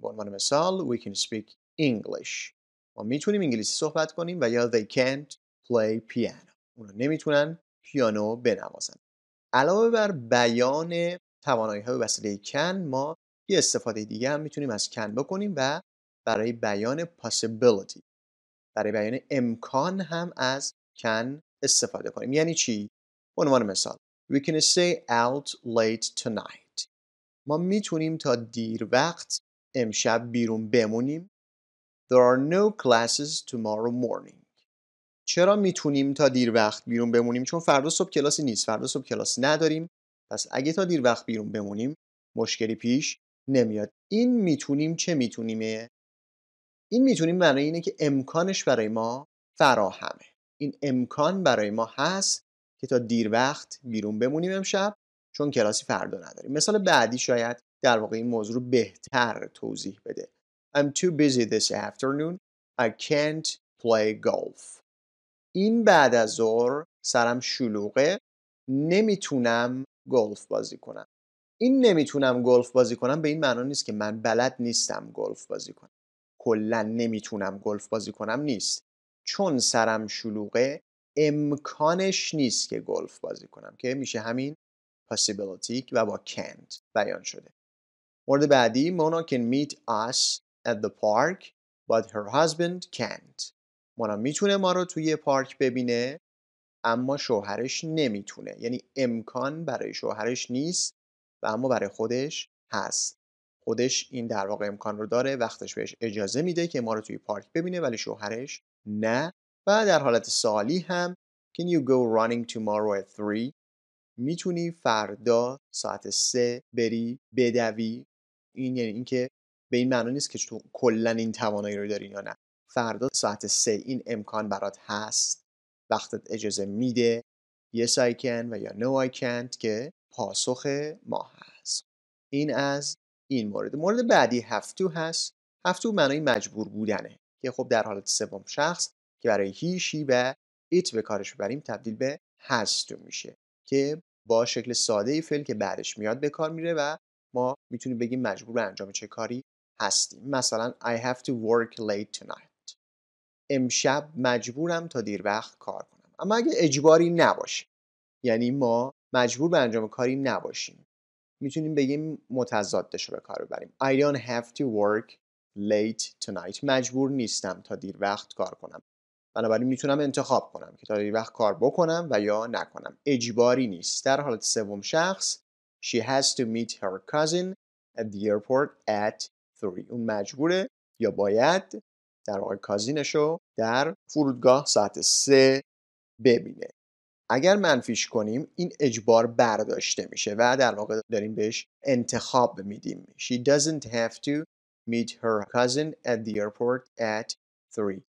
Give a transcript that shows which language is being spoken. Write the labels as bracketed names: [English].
[Persian] به عنوان مثال [English] we can speak English، [Persian] ما میتونیم انگلیسی صحبت کنیم، و یا [English] they can't play piano، [Persian] اونا نمیتونن پیانو بنوازن. علاوه بر بیان توانایی ها به وسیله can، ما یه استفاده دیگه هم میتونیم از can بکنیم و برای بیان possibility، برای بیان امکان هم از can استفاده کنیم. یعنی چی؟ به عنوان مثال [English] We can stay out late tonight. [Persian] ما میتونیم تا دیر وقت امشب بیرون بمونیم. [English] There are no classes tomorrow morning. [Persian] چرا میتونیم تا دیر وقت بیرون بمونیم؟ چون فردا صبح کلاسی نیست. فردا صبح کلاس نداریم. پس اگه تا دیر وقت بیرون بمونیم، مشکلی پیش نمیاد. این میتونیم چه میتونیمه؟ این میتونیم معنی اینه که امکانش برای ما فراهمه. این امکان برای ما هست که تا دیر وقت بیرون بمونیم امشب، چون کلاسی فردا نداریم. مثال بعدی شاید در واقع این موضوع رو بهتر توضیح بده. [English] I'm too busy this afternoon. I can't play golf. [Persian] این بعد از ظهر سرم شلوغه، نمیتونم گلف بازی کنم. این نمیتونم گلف بازی کنم به این معنی نیست که من بلد نیستم گلف بازی کنم. کلن نمیتونم گلف بازی کنم نیست. چون سرم شلوغه، امکانش نیست که گلف بازی کنم، که میشه همین possibility و با can't بیان شده. مورد بعدی، [English] Mona can meet us at the park but her husband can't. [Persian] مونا میتونه ما رو توی پارک ببینه اما شوهرش نمیتونه. یعنی امکان برای شوهرش نیست و اما برای خودش هست. خودش این در واقع امکان رو داره، وقتش بهش اجازه میده که ما رو توی پارک ببینه، ولی شوهرش نه. و در حالت سوالی هم [English] Can you go running tomorrow at 3؟ [Persian] میتونی فردا ساعت 3 بری بدوی؟ این یعنی اینکه به این معنی نیست که تو کلن این توانایی رو داری یا نه. فردا ساعت 3 این امکان برات هست، وقتت اجازه میده. [English] Yes I can [Persian] و یا [English] No I can't [Persian] که پاسخ ما هست. این از این مورد. مورد بعدی have to هست. Have to معنی مجبور بودنه، که خب در حالت سوم شخص که برای هی شی و ایت به کارش ببریم تبدیل به has to میشه، که با شکل ساده فعل که بعدش میاد به کار میره و ما میتونیم بگیم مجبور به انجام چه کاری هستیم. [English] مثلا I have to work late tonight. [Persian] امشب مجبورم تا دیر وقت کار کنم. اما اگه اجباری نباشه، یعنی ما مجبور به انجام کاری نباشیم، میتونیم بگیم متضادش رو به کار ببریم. [English] I don't have to work late tonight. [Persian] مجبور نیستم تا دیر وقت کار کنم. بنابراین میتونم انتخاب کنم که تا دیر وقت کار بکنم و یا نکنم. اجباری نیست. در حالت سوم شخص [English] She has to meet her cousin at the airport at 3. [Persian] اون مجبوره یا باید در واقع کازینشو در فرودگاه ساعت 3 ببینه. اگر منفیش کنیم این اجبار برداشته میشه و در واقع داریم بهش انتخاب میدیم. [English] She doesn't have to meet her cousin at the airport at 3.